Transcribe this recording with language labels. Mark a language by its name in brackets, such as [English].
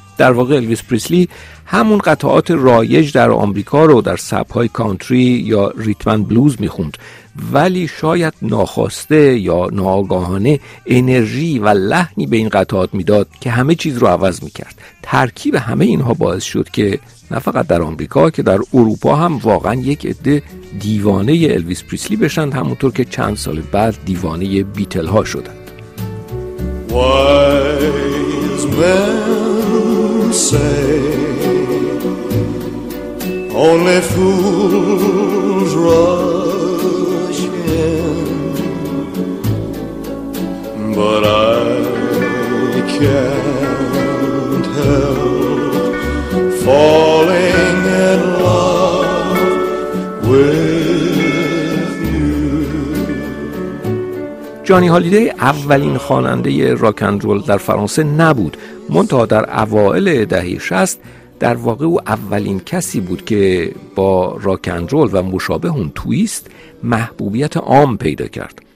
[Persian] در واقع الویس پرسلی همون قطعات رایج در آمریکا رو در سبک‌های کانتری یا ریتم اند بلوز می‌خوند، ولی شاید ناخواسته یا ناآگاهانه انرژی و لحنی به این قطعات میداد که همه چیز رو عوض میکرد. ترکیب همه اینها باعث شد که نه فقط در آمریکا که در اروپا هم واقعا یک عده دیوانه الویس پریسلی بشند، همونطور که چند سال بعد دیوانه بیتل ها شدند. [English] Wise men say only fools rush in, but I can't help falling in love with you. [Persian] جانی هالیدی اولین خواننده راک اند رول در فرانسه نبود، منتها در اوائل دهه 60 در واقع او اولین کسی بود که با راک اند رول و مشابه اون تویست محبوبیت عام پیدا کرد.